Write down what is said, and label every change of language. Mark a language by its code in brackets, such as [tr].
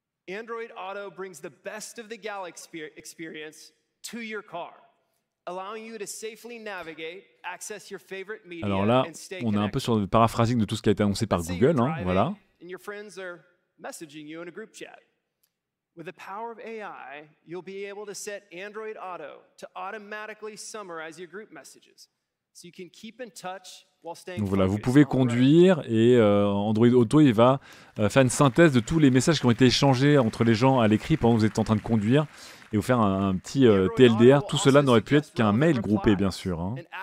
[en] Android Auto brings the best of the Galaxy experience to your car. Allowing you to safely navigate, access your favorite media. [fr] Alors là, on est un peu sur le paraphrasing de tout ce qui a été annoncé par Google, hein, voilà. [en] And your friends are messaging you in a group chat. With the power of AI, you'll be able to set Android Auto to automatically summarize your group messages, so you can keep in touch while staying. [fr] Donc voilà, vous pouvez conduire et Android Auto, il va faire une synthèse de tous les messages qui ont été échangés entre les gens à l'écrit pendant que vous êtes en train de conduire. Et vous faire un petit TLDR, tout cela n'aurait pu être qu'un mail groupé, bien sûr.